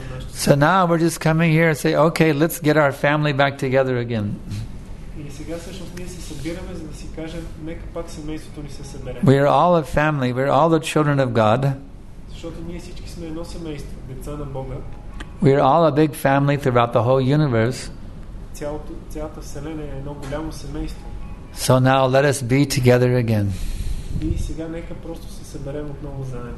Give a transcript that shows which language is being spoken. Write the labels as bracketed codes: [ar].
[en] So now we're just coming here and say, okay, let's get our family back together again. [bg] И сега всъщност ние се събираме, за да си кажем, нека пак семейството ни се събере. [en] We are all a family, we are all the children of God. [bg] Защото ние всички сме едно семейство, деца на Бога. [en] We are all a big family throughout the whole universe. [bg] Цялата вселена е едно голямо семейство. [en] So now let us be together again. [bg] И сега нека просто се съберем отново заедно.